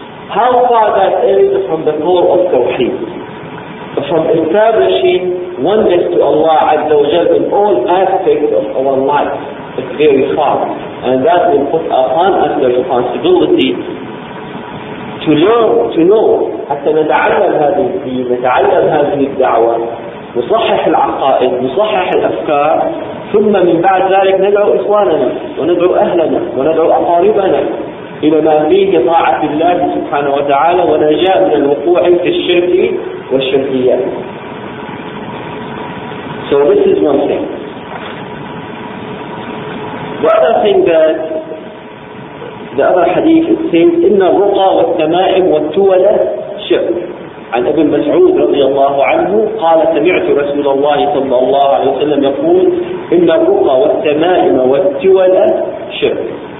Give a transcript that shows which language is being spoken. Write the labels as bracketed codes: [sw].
[en] How far that is from the core of Tawheed? From establishing oneness to Allah Azza wa Jalla in all aspects of our life. It's very far. And that will put upon us the responsibility to learn, to know. [ar] حتى نتعلم هذه الدين, نتعلم هذه الدعوة, نصحح العقائد, نصحح الأفكار, ثم من بعد ذلك ندعو إخواننا, وندعو أهلنا, وندعو أقاربنا. إلى ما فيه طاعة الله سبحانه وتعالى ونجاة من الوقوع في الشرك والشركيات. [en] So this is one thing. The other thing that the other hadith is saying, [ar] إن الرقى والتمائم والتولة شرك. عن ابن مسعود رضي الله عنه قال سمعت رسول الله صلى الله عليه وسلم يقول إن الرقى والتمائم والتولة شرك.